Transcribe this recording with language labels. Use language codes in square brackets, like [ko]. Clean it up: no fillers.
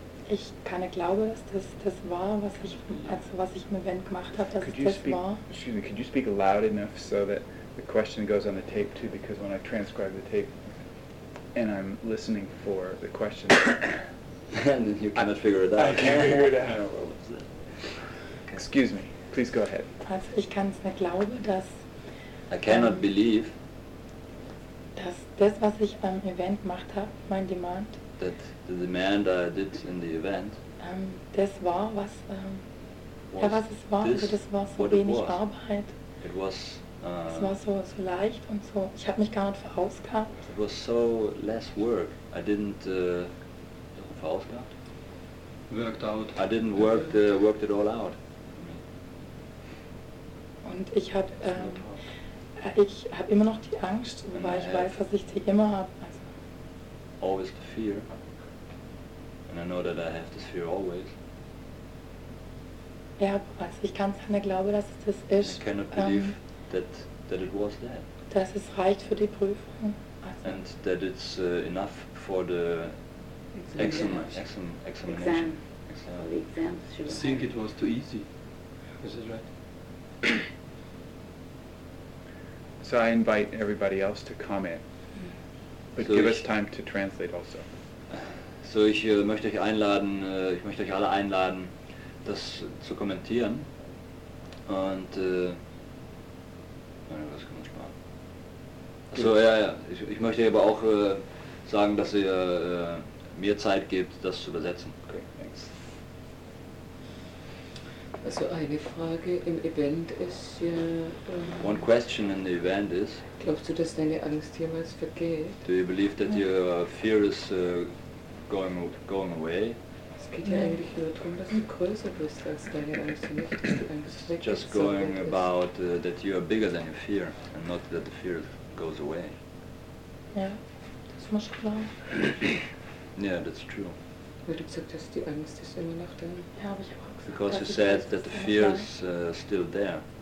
[de] Ich kann nicht glauben, dass das war, was ich im Event gemacht habe, dass das war. [en] Excuse me, could you speak loud enough so that the question goes on the tape too, because when I transcribe the tape, and I'm listening for the question. And you cannot figure it out. I can't figure it out. Excuse me. Please go ahead. [de] Also ich kann es nicht glauben, dass [en] I cannot believe [de] dass das, was ich beim Event gemacht habe, mein Demand [en] that the demand I did in the event [de] das war, was ja, was es war, also das war so wenig Arbeit. [en] It was [de] es war so leicht und so. Ich habe mich gar nicht verausgabt. [en] It was so less work. I didn't verausgabt. Worked out. I didn't worked it all out. [de] Und ich habe hab immer noch die Angst, weil ich weiß, dass ich sie immer habe. Also [en] always the fear. And I know that I have this fear always. [de] Ja, also ich kann es nicht glauben, dass es das ist. [en] I cannot believe. That it was that. [de] Das ist reicht für die Prüfung. Also [en] and that it's enough for the examination. I think it was too easy. Is that right? So I invite everybody else to comment, but so give us time to translate also. [de] So ich möchte euch einladen, ich möchte euch alle einladen, das zu kommentieren und was kann man sparen? Achso, ja. Ich möchte aber auch sagen, dass ihr mir Zeit gebt, das zu übersetzen. [en] Okay, thanks. [de] Also eine Frage im Event ist ja [en] one question in the event is [de] glaubst du, dass deine Angst jemals vergeht? [en] Do you believe that your fear is going away? [de] Es geht ja eigentlich nur darum, dass du größer bist als deine Angst und nicht, dass die Angst weggeht. [en] Just going about that you are bigger than your fear and not that the fear goes away. [de] Ja, das muss ich glauben. [en] Yeah, that's true. [de] Weil du gesagt hast, die Angst ist immer noch da. Ja, habe ich auch gesagt. [en] Because you said that the fear is still there.